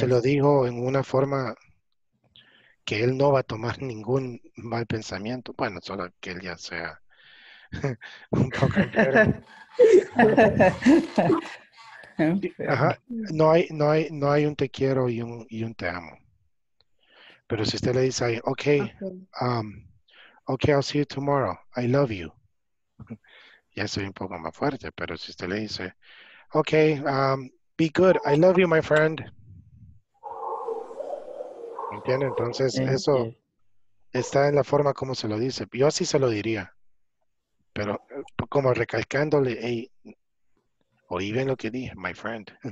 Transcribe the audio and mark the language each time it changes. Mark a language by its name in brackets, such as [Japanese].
[Spanish] Se lo dijo en una forma que él no va a tomar ningún mal pensamiento. Bueno, solo que él ya sea un poco ajá. No hay un te quiero y un te amo. Pero si usted le dice, [English] okay, I'll see you tomorrow. I love you. [Spanish] Ya soy un poco más fuerte, pero si usted le dice, [English] be good. I love you, my friend. [Spanish] ¿Entiende? Entonces, eso está en la forma como se lo dice. Yo así se lo diría. Pero como recalcándole, hey, oí bien lo que dije, [English] my friend.